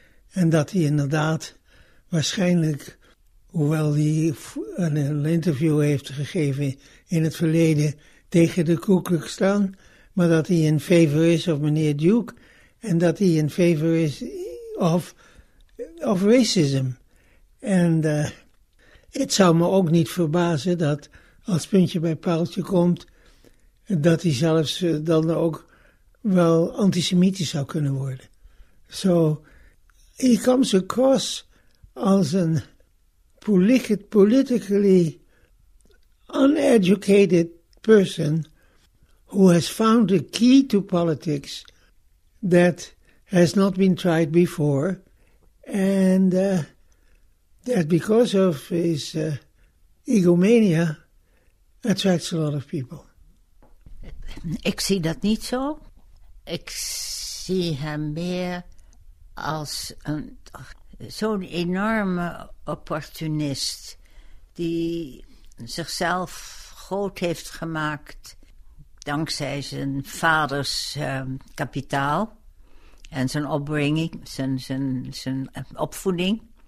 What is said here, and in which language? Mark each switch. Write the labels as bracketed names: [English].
[Dutch] En dat hij inderdaad waarschijnlijk, hoewel hij een interview heeft gegeven in het verleden tegen de Ku Klux Klan, maar dat hij [English] in favor [Dutch] is of meneer Duke en dat hij in favor is [English] of racism. [Dutch] En het zou me ook niet verbazen dat als puntje bij paaltje komt, dat hij zelfs dan ook wel antisemitisch zou kunnen worden. [English] So, he comes across [Dutch] als een [English] politically uneducated person who has found a key to politics that has not been tried before, and that because of his egomania attracts a lot of people. [Dutch] Ik zie dat niet zo. Ik zie hem meer als zo'n enorme opportunist die zichzelf groot heeft gemaakt dankzij zijn vaders kapitaal en zijn opbrenging, zijn opvoeding.